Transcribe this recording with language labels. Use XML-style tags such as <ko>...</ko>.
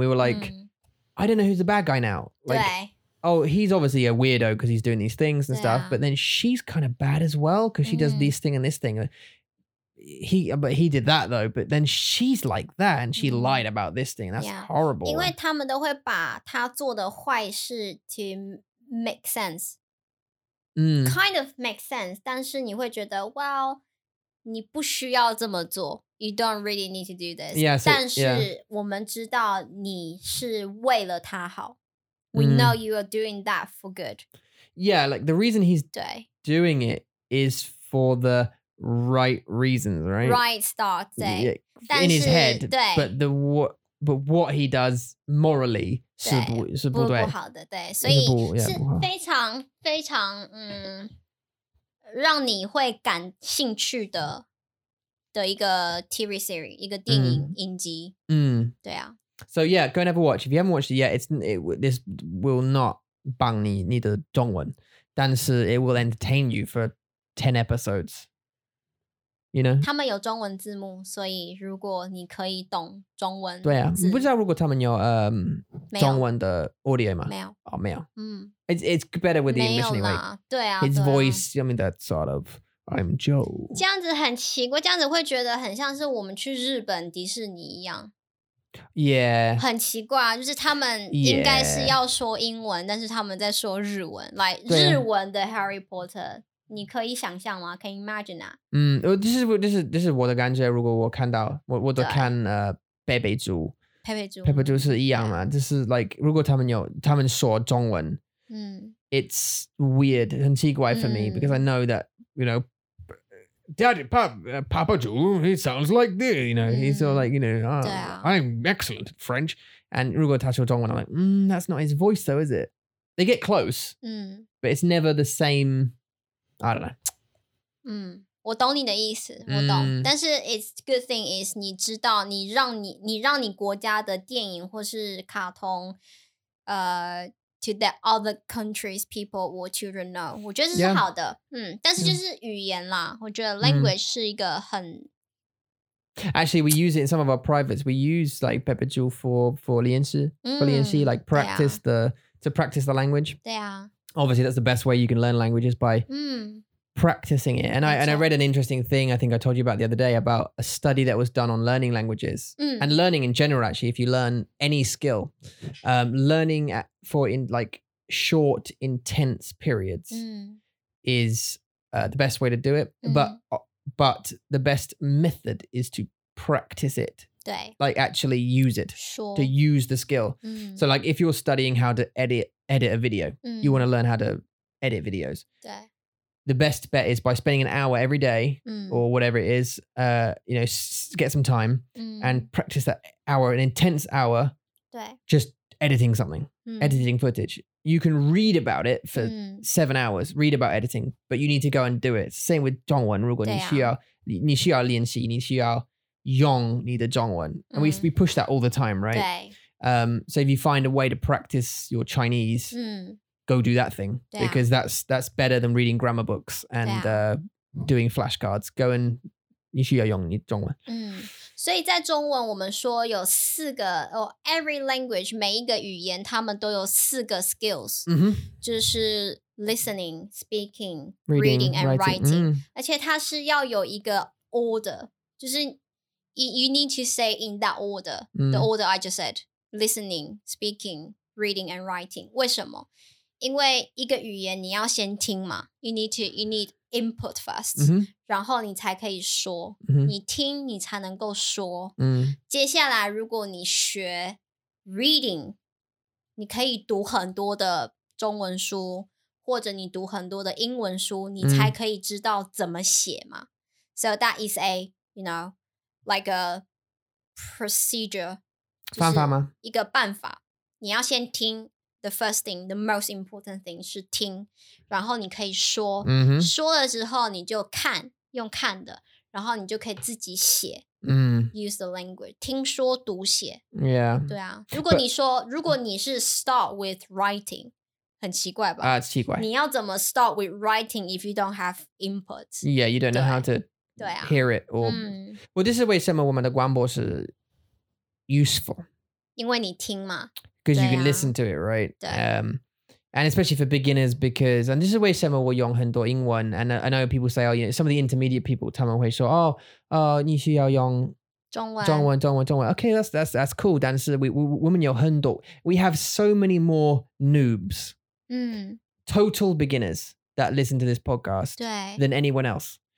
<en>And we were like, I don't know who's the bad guy now. Like, oh, he's obviously a weirdo because he's doing these things and stuff. But then she's kind of bad as well because she does this thing and this thing. He did that though, but then she's like that and she lied about this thing. That's horrible.</en> <zh>因为他们都会把他做的坏事</zh> <en>to make sense. Kind of make sense,</en> <zh>但是你会觉得</zh> <en>well,</en> <zh>你不需要这么做。</zh> <en>You don't really need to do this. Yeah, so,</en> <zh>但是我们知道你是为了他好。</zh> <en>We know you are doing that for good. Yeah, like the reason he's doing it is for the right reasons, right? Right start, yeah, in his head. But the what he does morally</en> <zh>是不好的，对，所以是非常非常让你会感兴趣的一个 TV series， 一个电影影集。对啊。</zh> <en>So yeah, go and have a watch. If you haven't watched it yet, this will not</en> <zh>帮你你的中文，但是</zh> <en>it will entertain you for 10 episodes. You know?</en> <zh>他们有中文字幕，所以如果你可以懂中文，对啊，你不知道如果他们有中文的 audio 吗？没有，哦，没有，嗯</zh> <en>，it's better with the English anyway.</en> <zh>对啊</zh> <en>，his voice, I mean that sort of I'm Joe.</en> <zh>这样子很奇怪，这样子会觉得很像是我们去日本迪士尼一样。</zh> <en>Yeah.</en> <zh>很奇怪，就是他们应该是要说英文，但是他们在说日文 ，</zh> <en>like</en> <zh>日文的 Harry Potter。你可以想象吗？可以 imagine 啊？这是我的感觉。如果我看到我都看佩佩猪是一样嘛？</zh> <en>就是 like</en> <zh>如果他们说中文，</zh> <en>it's weird</en> <zh>很奇怪</zh> <en>for me because I know that you know Daddy Papa 猪 he sounds like this you know he's all like you know、I'm excellent at French and</en> <zh>如果他说中文</zh> <en>I'm like that's not his voice though is it? They get close, but it's never the same. I don't know.</en> <zh>我懂你的意思，我懂。但是</zh> <en>it's good thing is</en> <zh>你知道，你让你国家的电影或是卡通，</zh> <en>to the other countries people or children know，</en> <zh>我觉得这是好的。但是就是语言啦，我觉得 language 是一个很。</zh> <en>Actually, we use it in some of our privates. We use like Pepe Zhu for</en> <zh>练习</zh> <en>like practice to practice the language.</en> <zh>对啊。</zh> <en>Obviously, that's the best way you can learn languages by practicing it. And I read an interesting thing I think I told you about the other day about a study that was done on learning languages and learning in general, actually, if you learn any skill, learning for short, intense periods is the best way to do it. But the best method is to practice it. Like actually use it to use the skill. So like if you're studying how to edit a video, you want to learn how to edit videos. The best bet is by spending an hour every day or whatever it is, you know, get some time and practice that hour, an intense hour, just editing something, editing footage. You can read about it for 7 hours, read about editing, but you need to go and do it. Same with</en> <zh>中文, 如果你需要练习, 你需要用你的中文.</zh> <en>And we push that all the time, right? So if you find a way to practice your Chinese, go do that thing. Because that's better than reading grammar books and doing flashcards. Go and</en> <zh>你需要用你中文。所以在中文我们说有四个</zh> <en>every language,</en> <zh>每一个语言他们都有四个</zh> <en>skills.</en> <zh>就是</zh> <en>listening, speaking, reading and writing.</en> <zh>而且它是要有一个 order.</zh> <en>就是 you need to say in that order, the order I just said. Listening, speaking, reading, and writing.</en> <zh>为什么？因为一个语言你要先听嘛。</zh> <en>You need input first,</en> <zh>然后你才可以说。你听，你才能够说。接下来，如果你学 reading, 你可以读很多的中文书或者你读很多的英文书你才可以知道怎么写嘛、嗯、</zh> <en>So that is a, you know, like a procedure</en> <zh>方法吗一个办法你要先听</zh> <en>the first thing, the most important thing</en> <zh>是听然后你可以说、嗯、说了之后你就看用看的然后你就可以自己写</zh> <en>use the language</en> <zh>听说读写</zh> <en>yeah</en> <zh>对啊如果你说</zh> <en>but,</en> <zh>如果你是</zh> <en>start with writing</en> <zh>很奇怪吧、奇怪你要怎么</zh> <en>start with writing if you don't have input yeah you don't know how to hear it or、嗯、 well this is</en> <zh>为什么我们的广播是</zh> <en>useful</en> <zh>因为你听嘛</zh> <en>because you can listen to it right</en> <zh>对、</zh> <en>And especially for beginners, because, and this is why some will use a lot of English, and I know people say, oh, you know, some of the intermediate people, they will say, oh, you need to use Chinese. Okay, that's cool. But we have so many more noobs, total beginners that listen to this podcast than anyone else.</en>